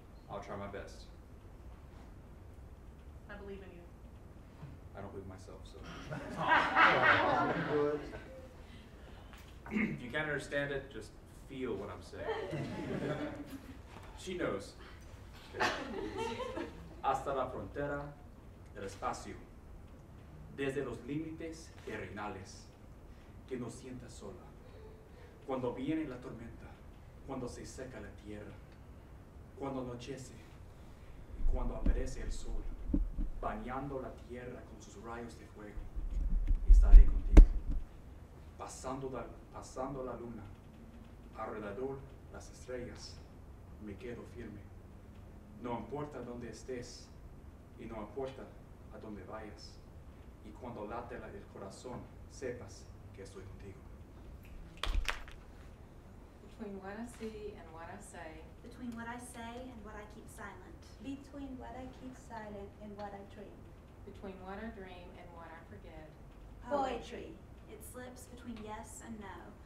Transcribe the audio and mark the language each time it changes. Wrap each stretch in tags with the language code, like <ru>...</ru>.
<en>I'll try my best. I believe in you. I don't believe myself, so. If you can't understand it, just feel what I'm saying. She knows.</en> <es>Hasta la frontera del espacio, desde los límites terrenales, que no sienta sola. Cuando viene la tormenta, cuando se seca la tierra, cuando anochece y cuando aparece el sol, bañando la tierra con sus rayos de fuego, estaré contigo. Pasando la luna, alrededor las estrellas, me quedo firme. No importa dónde estés, y no importa a dónde vayas, y cuando late el corazón, sepas que estoy contigo.</es> <en>Between what I see and what I say, between what I say and what I keep silent, between what I keep silent and what I dream, between what I dream and what I forget, poetry, it slips between yes and no,</en>